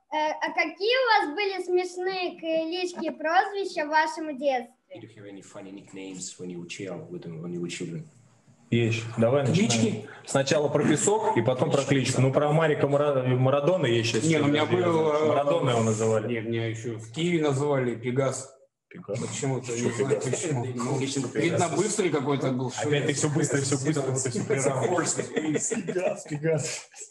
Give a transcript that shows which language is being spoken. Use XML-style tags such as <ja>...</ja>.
<ru>А какие у вас были смешные клички и прозвища в вашем детстве?</ru> <en>Do you have any funny nicknames when you were child, when you were children?</en> <ru>Есть. Давай начнем. Клички? Сначала про песок, и потом про кличку. Ну, про Марика Марадона есть сейчас. Нет, у меня был... Марадона его называли. Нет, меня еще в Киеве называли Пегас. Пегас? Почему-то. Что Пегас? Почему? Видно, быстрый какой-то был. Опять ты все быстро. Пегас. Пегас.</ru>